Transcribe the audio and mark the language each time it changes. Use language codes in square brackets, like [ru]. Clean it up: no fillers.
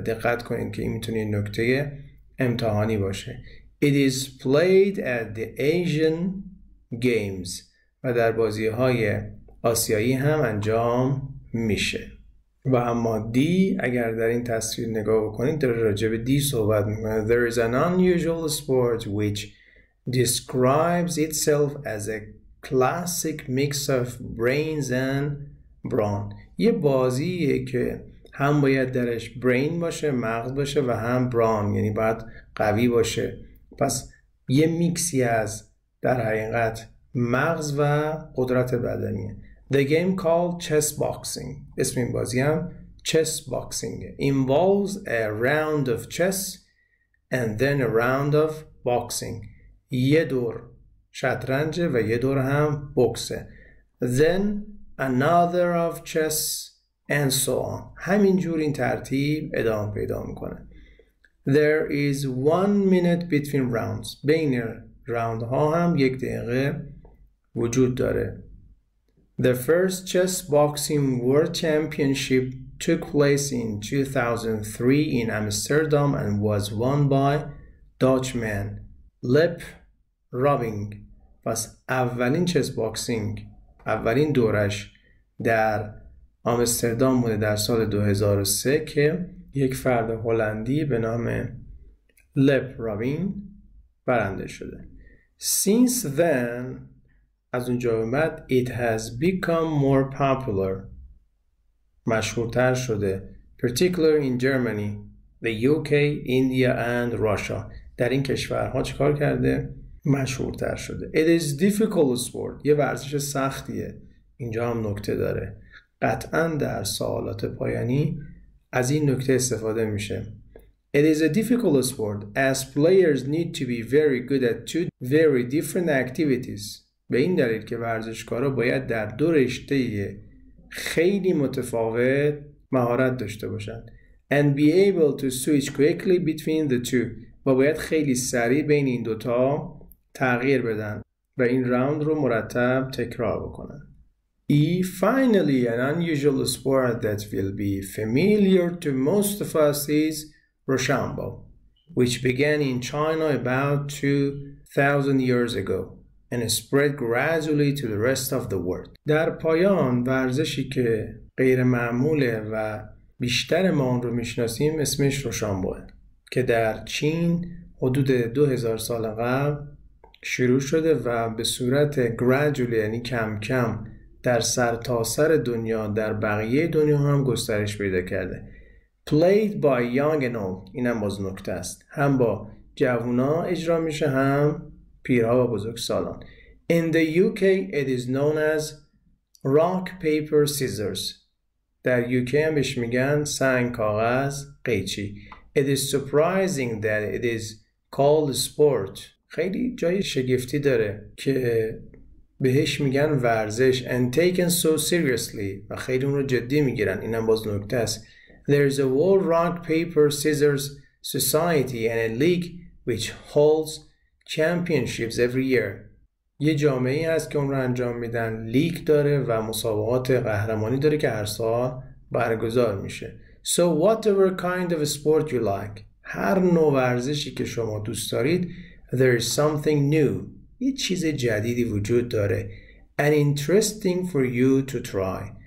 [fa] دقت کنید که این میتونه نکته امتحانی باشه. [en] It is played at the Asian games [fa] و در بازی های آسیایی هم انجام میشه. و اما دی، اگر در این تصویر نگاه بکنید در راجع به دی صحبت میکنه. [en] There is an unusual sport which describes itself as a classic mix of brains and brawn. [fa] یه بازیه که هم باید درش برین باشه، مغز باشه، و هم برون، یعنی باید قوی باشه. پس یه میکسی از در حقیقت مغز و قدرت بدنیه. [en] The game called chess boxing. [fa] اسم این بازی هم chess boxing. [en] Involves a round of chess and then a round of boxing. [fa] یه دور شطرنج و یه دور هم بوکسه. [en] Then another of chess and so on. [fa] همین جور این ترتیب ادامه پیدا میکنه. [en] There is 1 minute between rounds. [fa] بین راوند ها هم یک دقیقه وجود داره. [en] The first chess boxing world championship took place in 2003 in Amsterdam and was won by Dutchman Lep Robing. [fa] پس اولین چس باکسینگ، اولین دورش در آمستردام بوده در سال 2003 که یک فرد هلندی به نام لپ رابین برنده شده. [en] Since then, [fa] از اونجا به بعد, [en] it has become more popular. [fa] مشهورتر شده. [en] Particularly in Germany, the UK, India and Russia. [fa] در این کشورها چیکار کرده؟ مشهورتر شده. [en] It is difficult sport. [fa] یه ورزش سختیه. اینجا هم نکته داره. قطعا در سوالات پایانی از این نکته استفاده میشه. [en] It is a difficult sport as players need to be very good at two very different activities. [fa] به این دلیل که ورزشکارا باید در دو رشته خیلی متفاوت مهارت داشته باشند. [en] And be able to switch quickly between the two. [fa] و باید خیلی سریع بین این دوتا تغییر بدن و این راوند رو مرتب تکرار بکنن. [en] E, finally, an unusual sport that will be familiar to most of us is Rochambeau, which began in China about 2,000 years ago and spread gradually to the rest of the world. [fa] در پایان ورزشی که غیر معموله و بیشتر ما اون رو میشناسیم اسمش روشامبوه که در چین حدود 2000 سال قبل شروع شده و به صورت gradually یعنی کم کم در سرتاسر دنیا در بقیه دنیا هم گسترش پیدا کرده. [en] Played by young and old. [fa] این هم باز نکته است. هم با جوونا اجرا میشه هم پیرها و بزرگ سالان. [en] In the UK it is known as rock paper scissors. [fa] در UK هم بهش میگن سنگ کاغذ قیچی. [en] It is surprising that it is called sport. [fa] خیلی جای شگفتی داره که بهش میگن ورزش [en] and taken so seriously [fa] و خیلی اون رو جدی میگیرن. اینم باز نکته است. [en] There's a World Rock Paper Scissors Society and a league which holds championships every year. [fa] یه جامعه ای هست که اون رو انجام میدن. لیگ داره و مسابقات قهرمانی داره که هر سال برگزار میشه. [en] So whatever kind of sport you like, [fa] هر نوع ورزشی که شما دوست دارید, [en] there is something new. [fa] یه چیز جدیدی وجود داره. [en] And interesting for you to try.